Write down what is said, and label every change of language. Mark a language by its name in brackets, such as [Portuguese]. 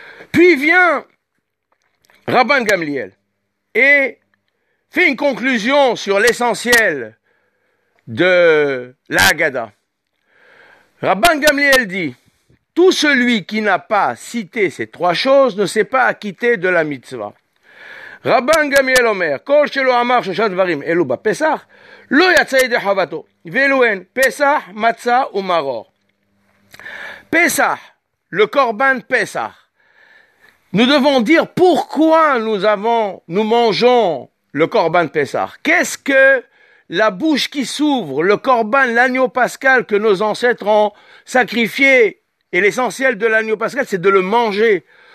[French] Puis vient Rabban Gamliel et fait une conclusion sur l'essentiel de la Haggadah. Rabban Gamliel dit, tout celui qui n'a pas cité ces trois choses ne s'est pas acquitté de la mitzvah. [Hebrew] רבן גמליאל אומר, כל שלא אמר שלושה דברים, אלו בפסח, לא יצא ידי חובתו, ואלו הן פסח, מצה ומרור. פסח, לקורבן פסח. [French] Nous devons dire pourquoi nous mangeons le corban Pessah. Qu'est-ce que la bouche qui s'ouvre, le corban, l'agneau pascal que nos ancêtres ont sacrifié, et l'essentiel de l'agneau pascal, c'est de le manger.